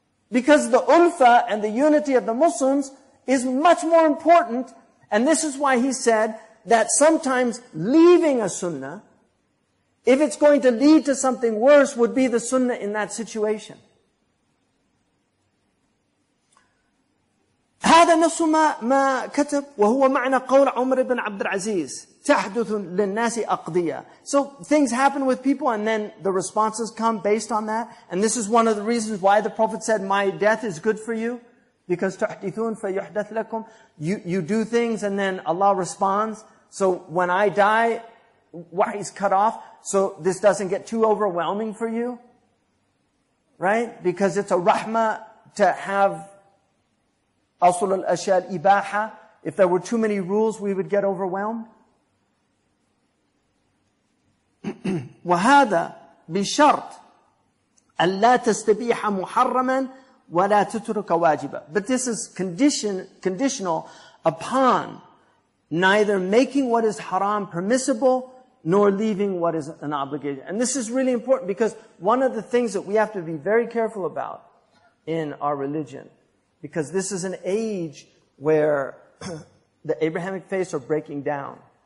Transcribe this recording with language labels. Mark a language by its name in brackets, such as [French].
[English] Because the ulfa and the unity of the Muslims is much more important. And this is why he said that sometimes leaving a sunnah, if it's going to lead to something worse, would be the sunnah in that situation. [Arabic] هذا نص ما كتب وهو معنى قول عمر بن عبد العزيز تحدث للناس أقضية. [English] So things happen with people and then the responses come based on that. And this is one of the reasons why the Prophet said, my death is good for you. Because [Arabic] تحدثون فيحدث لكم. [English] You do things and then Allah responds. So when I die, wahy is cut off. So this doesn't get too overwhelming for you. Right? Because it's a rahmah to have [Arabic] أصل الأشياء الإباحة. [English] If there were too many rules, we would get overwhelmed. [Arabic] وهذا بشرط أن لا تستبيح محرما ولا تترك واجبا. [English] But this is conditional upon neither making what is haram permissible nor leaving what is an obligation. And this is really important because one of the things that we have to be very careful about in our religion, because this is an age where the Abrahamic faiths are breaking down.